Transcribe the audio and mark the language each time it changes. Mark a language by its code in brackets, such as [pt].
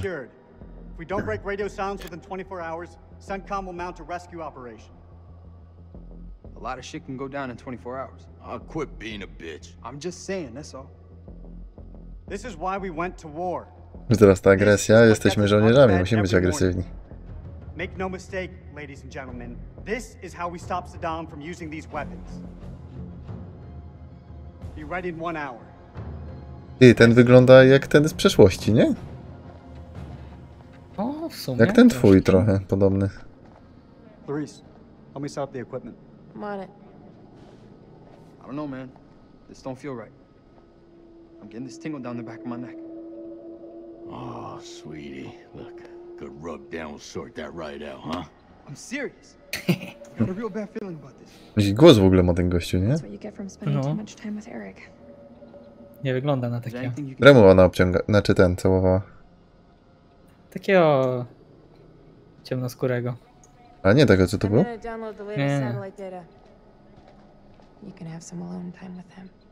[en] If we don't break radio silence within 24 hours, CENTCOM will mount a rescue operation. A lot of shit can go down in 24 hours. I'll quit being a bitch. I'm just saying, that's all. This is why we went to war. [pl] Wzrasta ta agresja, jesteśmy żołnierzami, musimy być agresywni. [en] Make no mistake, ladies and gentlemen. This is how we stop Saddam from using these weapons. Be ready in one hour. [pl] Ty, ten wygląda jak ten z przeszłości, nie? O, w sumie. Jak ten twój trochę podobny. [en] Clarice, help me set up the equipment. I'm on it. I don't know, man. This don't feel right. I'm getting this tingle down the back of my neck. Oh, sweetie. Look, good rub down will sort that right out, huh? I'm serious. I got a real bad feeling about this. [pl] Jaki głos w ogóle ma ten gościu, nie? No. [en] That's what you get from spending too much time with Eric. [pl] Nie wygląda na takie. Remu ona obciąga, znaczy ten, całowała. Takiego ciemnoskórego. A nie tego, co to było? Nie. [en] You can have some alone time with him.